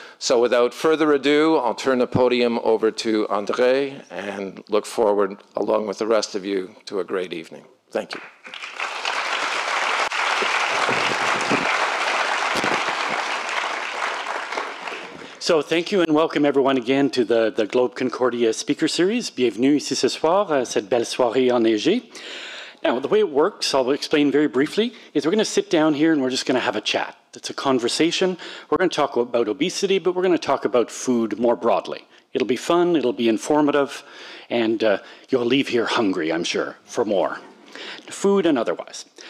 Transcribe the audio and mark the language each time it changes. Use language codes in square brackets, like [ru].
[en] So without further ado, I'll turn the podium over to André and look forward, along with the rest of you, to a great evening. Thank you. So thank you and welcome everyone again to the Globe Concordia speaker series. [fr] Bienvenue ici ce soir, cette belle soirée enneigée. [en] Now, the way it works, I'll explain very briefly, is we're going to sit down here and we're just going to have a chat. It's a conversation. We're going to talk about obesity, but we're going to talk about food more broadly. It'll be fun, it'll be informative, and you'll leave here hungry, I'm sure, for more. Food and otherwise.